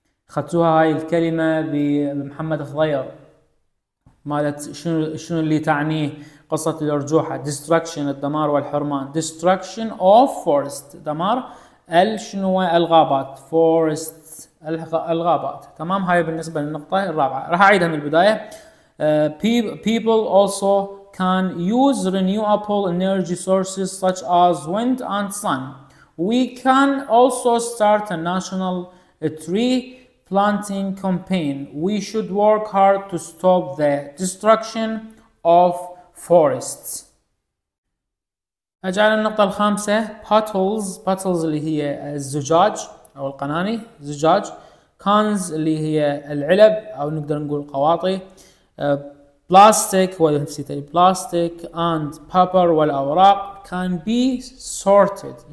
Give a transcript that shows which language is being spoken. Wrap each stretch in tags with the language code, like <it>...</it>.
<ar>اخذتوها هاي الكلمة بمحمد خضير، مالت شنو اللي تعنيه قصة الأرجوحة، destruction الدمار والحرمان،</ar> <en>destruction of forest</en> <ar>دمار شنو الغابات، forest الغابات، تمام. هاي بالنسبة للنقطة الرابعة، راح أعيدها من البداية.</ar> <en>People also can use renewable energy sources such as wind and sun. We can also start a national tree planting campaign. We should work hard to stop the destruction of forests.</en> <ar>أجعل النقطة الخامسة potholes. Potholes اللي هي الزجاج أو القناني، زجاج. Cans اللي هي العلب أو نقدر نقول قواطي.</ar> <en>Plastic والهمسيتي plastic and paper والأوراق can be sorted.</en>